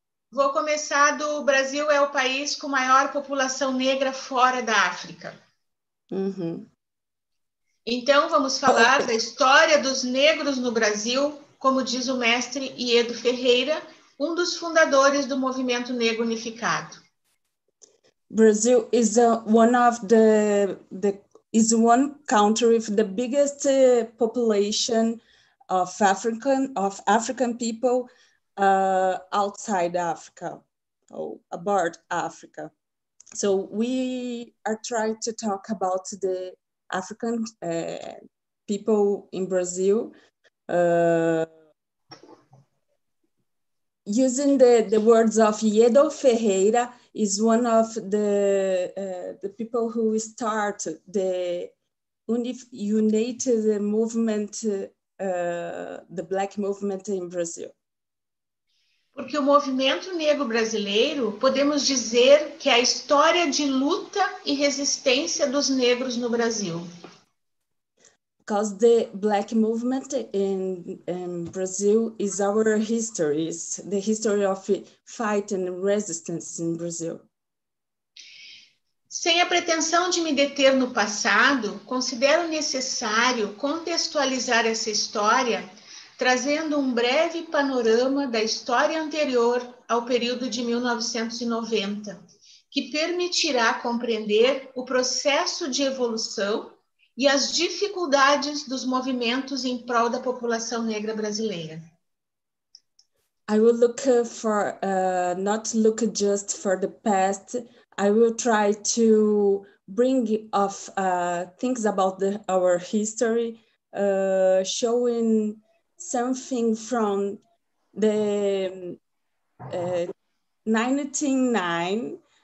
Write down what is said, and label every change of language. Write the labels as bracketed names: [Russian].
[Portuguese] Vou começar do Brasil é o país com maior população negra fora da África. Uhum. Então, vamos falar da história dos negros no Brasil, como diz o mestre Iedo Ferreira, um dos fundadores do Movimento Negro Unificado. [English] Brazil is a, one of the, the is one country with the biggest population of African people outside Africa or about Africa. So we are trying to talk about the African people in Brazil. Using the words of Iedo Ferreira is one of the people who start the United Movement, the Black Movement in Brazil. [Portuguese] Porque o movimento negro brasileiro, podemos dizer que é a história de luta e resistência dos negros no Brasil. [English] Because the Black Movement in Brazil is our history, is the history of fight and resistance in Brazil. [Portuguese] Sem a pretensão de me deter no passado, considero necessário contextualizar essa história, trazendo um breve panorama da história anterior ao período de 1990, que permitirá compreender o processo de evolução e as dificuldades dos movimentos em prol da população negra brasileira. [English] I will look for, not look just for the past, I will try to bring off things about the, our history, showing something from the 1999